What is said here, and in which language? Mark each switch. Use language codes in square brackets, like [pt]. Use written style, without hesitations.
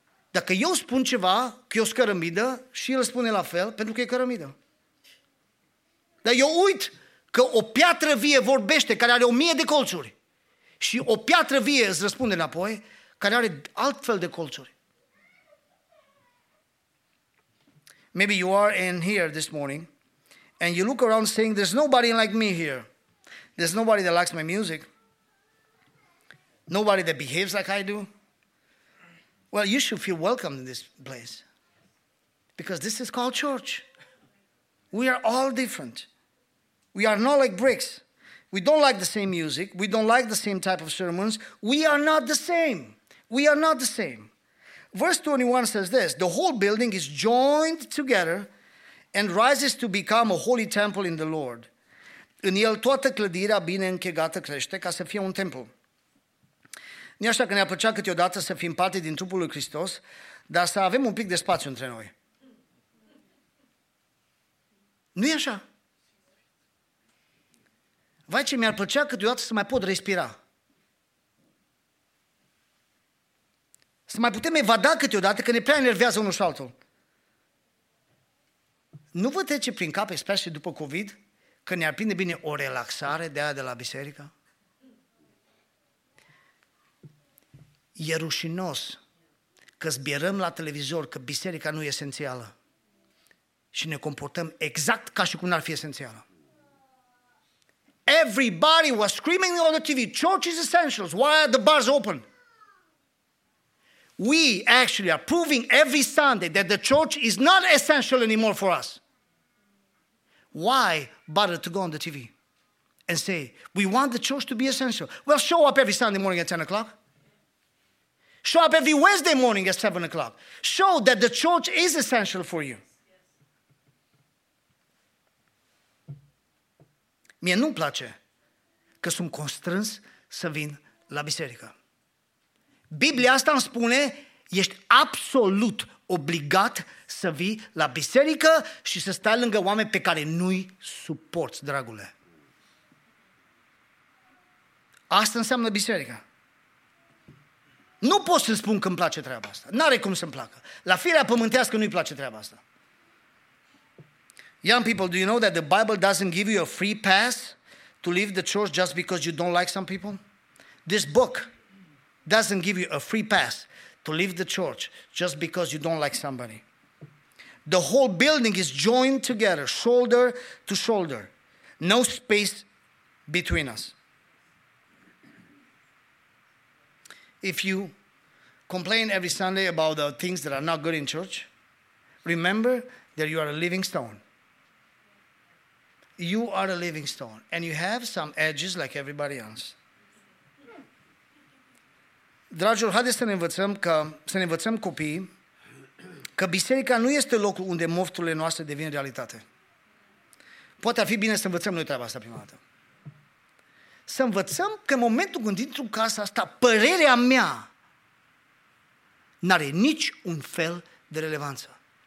[ro] Dacă eu spun ceva, că eu sunt cărămidă, și el spune la fel, pentru că e cărămidă. Dar eu uit că o piatră vie vorbește, care are 1000 de colțuri. Și o piatră vie îți răspunde înapoi, care are alt fel de colțuri. [en] Maybe you are in here this morning and you look around saying there's nobody like me here. There's nobody that likes my music. Nobody that behaves like I do. Well, you should feel welcome in this place because this is called church. We are all different. We are not like bricks. We don't like the same music. We don't like the same type of sermons. We are not the same. We are not the same. Verse 21 says this, the whole building is joined together and rises to become a holy temple in the Lord. [ro] În el toată clădirea bine închegată crește ca să fie un templu. Nu așa că ne-a plăcea câteodată să fim parte din trupul lui Hristos, dar să avem un pic de spațiu între noi. Nu e așa? Vai ce mi-ar plăcea câteodată să mai pot respira. Să mai putem evada câteodată că ne prea enervează unul și altul. Nu vă trece prin cap, especially după COVID, că ne-ar prinde bine o relaxare de aia de la biserică? E rușinos că zbierăm la televizor că biserica nu e esențială și ne comportăm exact ca și cum n-ar fi esențială. [en] Everybody was screaming on the TV, church is essential, why are the bars open? We actually are proving every Sunday that the church is not essential anymore for us. Why bother to go on the TV and say, we want the church to be essential? Well, show up every Sunday morning at 10 o'clock. Show up every Wednesday morning at 7 o'clock. Show that the church is essential for you. [ro] Mie nu-mi place că sunt constrâns să vin la biserică. Biblia asta îmi spune, ești absolut obligat să vii la biserică și să stai lângă oameni pe care nu-i suporți, dragule. Asta înseamnă biserica. Nu pot să spun că îmi place treaba asta. N-are cum să-mi placă. La firea pământească nu-i place treaba asta. [en] Young people, do you know that the Bible doesn't give you a free pass to leave the church just because you don't like some people? This book doesn't give you a free pass to leave the church just because you don't like somebody. The whole building is joined together, shoulder to shoulder. No space between us. If you complain every Sunday about the things that are not good in church, remember that you are a living stone. You are a living stone, and you have some edges like everybody else. [ro] Dragilor, haideți să ne învățăm că să ne învățăm copiii că biserica nu este locul unde mofturile noastre devin realitate. Poate ar fi bine să învățăm noi treaba asta prima dată. Să învățăm că în momentul când intru în casa asta, părerea mea n-are nici un fel de relevanță.